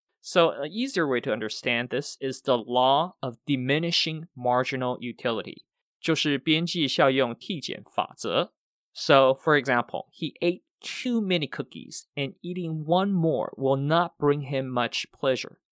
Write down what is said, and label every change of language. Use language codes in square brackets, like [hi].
[en] So an easier way to understand this is the law of diminishing marginal utility. [zh] 就是边际效用递减法则. [en] So for example, he ate too many cookies, and eating one more will not bring him much pleasure.